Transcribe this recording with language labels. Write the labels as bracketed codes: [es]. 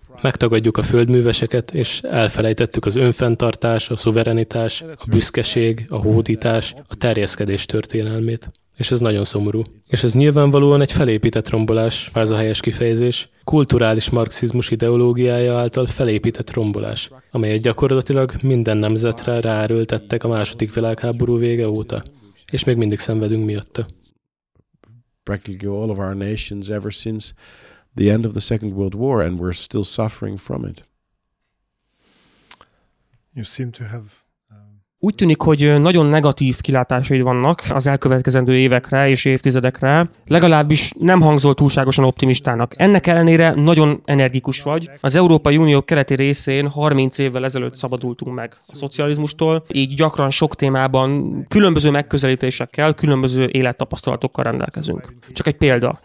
[hu] Megtagadjuk a földműveseket, és elfelejtettük az önfenntartás, a szuverenitás, a büszkeség, a hódítás, a terjeszkedés történelmét. És ez nagyon szomorú. És ez nyilvánvalóan egy felépített rombolás, ez a helyes kifejezés, kulturális marxizmus ideológiája által felépített rombolás, amelyet gyakorlatilag minden nemzetre ráerőltettek a II. Világháború vége óta, és még mindig szenvedünk miatta. [en] Practically all of our nations ever since the end of the Second World War, and we're still suffering from it. You seem to have... [hu] Úgy tűnik, hogy nagyon negatív kilátásaid vannak az elkövetkezendő évekre és évtizedekre, legalábbis nem hangzol túlságosan optimistának. Ennek ellenére nagyon energikus vagy. Az Európai Unió keleti részén 30 évvel ezelőtt szabadultunk meg a szocializmustól, így gyakran sok témában különböző megközelítésekkel, különböző élettapasztalatokkal rendelkezünk. Csak egy példa.